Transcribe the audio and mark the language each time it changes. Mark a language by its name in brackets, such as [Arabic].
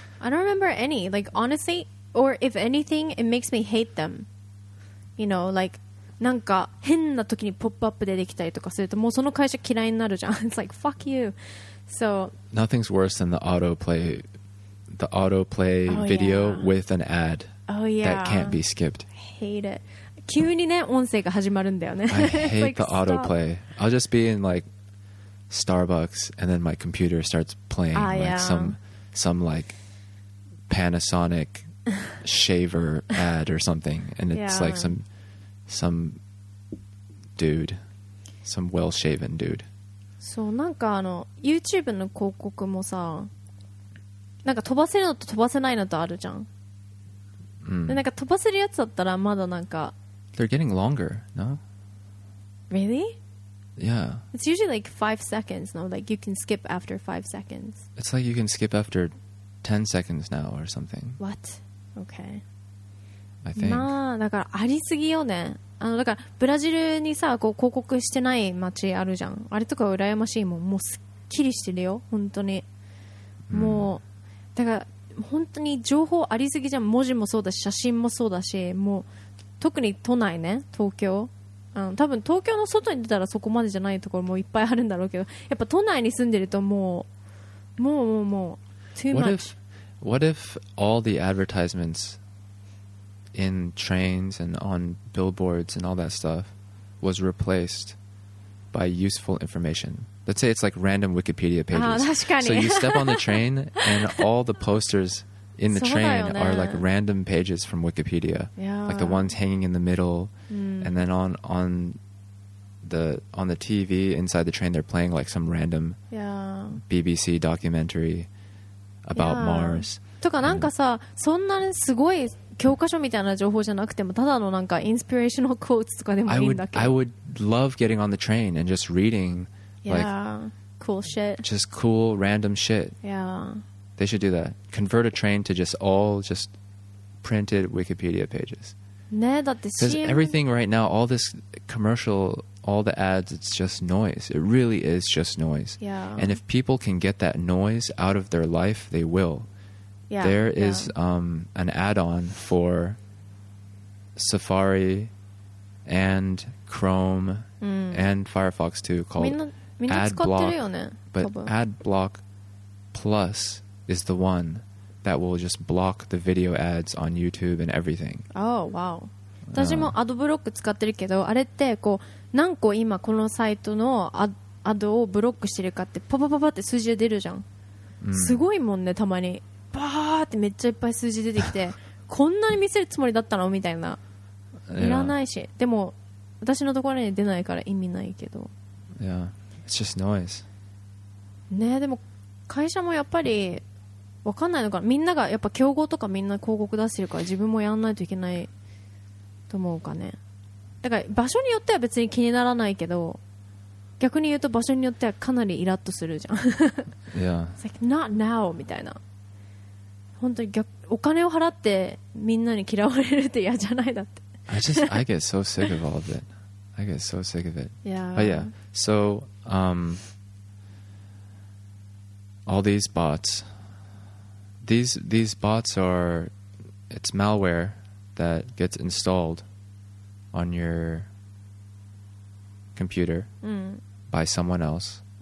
[English] I don't remember any. Like honestly, or if anything, it makes me hate them. You know, like, [Japanese] なんか変な時にポップアップ出てきたりとかするともうその会社嫌いになるじゃん。 [English] It's like, fuck you. So nothing's worse than the autoplay video with an ad that can't be skipped. I hate it. [Japanese] 急にね音声が始まるんだよね。 [English] I hate like, the autoplay. I'll just be in like Starbucks and then my computer starts playing some like Panasonic shaver ad or something, and it's like some dude, some well-shaven dude. [Japanese] そう、なんかあの YouTube の広告もさ、なんか飛ばせるのと飛ばせないのとあるじゃん。で、なんか飛ばせるやつだったらまだなんか。 [English] They're getting longer, no? Really? Yeah. It's usually like 5 seconds, no? Like you can skip after 5 seconds. It's like you can skip after 10 seconds now or something. What? Okay. I think. [Japanese] まあ、だからありすぎよね。あの、だからブラジルにさ、こう広告してない街あるじゃん。あれとか羨ましいもん。もうすっきりしてるよ、本当に。もう、だから本当に情報ありすぎじゃん。文字もそうだし、写真もそうだし、もう特に都内ね、東京。あの、多分東京の外に出たらそこまでじゃないところもいっぱいあるんだろうけど、やっぱ都内に住んでるともう [English] too much. What if all the advertisements in trains and on billboards and all that stuff was replaced by useful information? Let's say it's like random Wikipedia pages. So you step on the train and all the postersin the train are like random pages from Wikipedia. Yeah. Like the ones hanging in the middle. And then on the TV inside the train, they're playing like some random BBC documentary about Mars. [Japanese] とかなんかさ、そんなにすごい教科書みたいな情報じゃなくても、ただのなんかインスピレーショナルクォーツとかでもいいんだけど。 [English] I would love getting on the train and just reading like cool shit. Just cool random shit. Yeah. They should do that. Convert a train to just printed Wikipedia pages. [Japanese] ね、だって [English] CM… Because everything right now, all this commercial, all the ads, it's just noise. It really is just noise. Yeah. And if people can get that noise out of their life, they will. Yeah. There is an add-on for Safari and Chrome and Firefox too called AdBlock. But AdBlock Plus... is the one that will just block the video ads on YouTube and everything. Oh, wow. [Japanese] 私もアドブロック使ってるけど、あれってこう何個今このサイトのアドをブロックしてるかってパパパパって数字で出るじゃん。すごいもんね、たまにバーってめっちゃいっぱい数字出てきてこんなに見せるつもりだったのみたいな。いらないし、でも私のところに出ないから意味ないけど。 [English] Yeah, it's just noise. [Japanese] ね、でも会社もやっぱり分かんないのかな、みんながやっぱ競合とかみんな広告出してるから自分もやんないといけないと思うかね。だから場所によっては別に気にならないけど、逆に言うと場所によってはかなりイラッとするじゃん。いや、 [English] yeah. like not now [Japanese] みたいな。本当に逆、お金を払ってみんなに嫌われるって嫌じゃない。だって [English] I get so sick of all of it. I get so sick of it. Yeah. But yeah, so all these bots, these bots are, it's malware that gets installed on your computer by someone else.